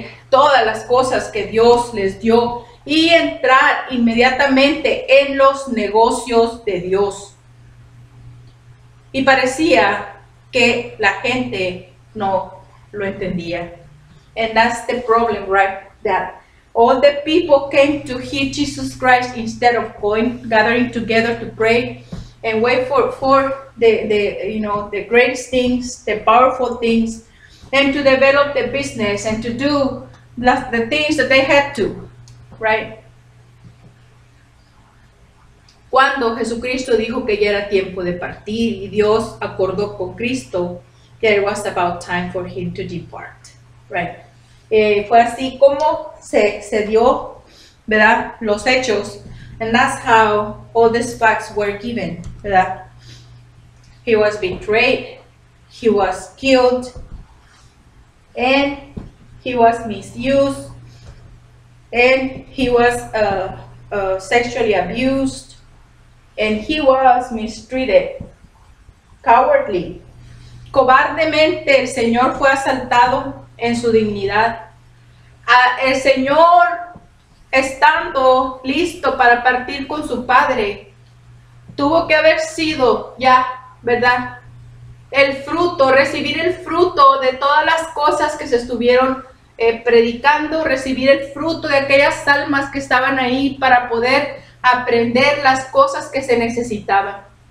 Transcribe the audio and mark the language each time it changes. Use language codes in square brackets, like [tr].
[es] Todas las cosas que Dios les dio y entrar inmediatamente en los negocios de Dios. Y parecía que la gente no lo entendía. [en] And that's the problem, right? That all the people came to hear Jesus Christ instead of going, gathering together to pray and wait for the you know, the great things, the powerful things, and to develop the business and to do the things that they had to, right? [es] Cuando Jesucristo dijo que ya era tiempo de partir y Dios acordó con Cristo [en] that it was about time for him to depart, right? [es] Fue así como se dio, ¿verdad?, los hechos. [en] And that's how all these facts were given, ¿verdad? He was betrayed, he was killed, and he was misused, and he was sexually abused, and he was mistreated, cowardly. [es] Cobardemente el Señor fue asaltado en su dignidad. El Señor, estando listo para partir con su padre, tuvo que haber sido ya, ¿verdad?, el fruto, recibir el fruto de todas las cosas que se estuvieron predicando, recibir el fruto de aquellas almas que estaban ahí para poder aprender las cosas que se necesitaban.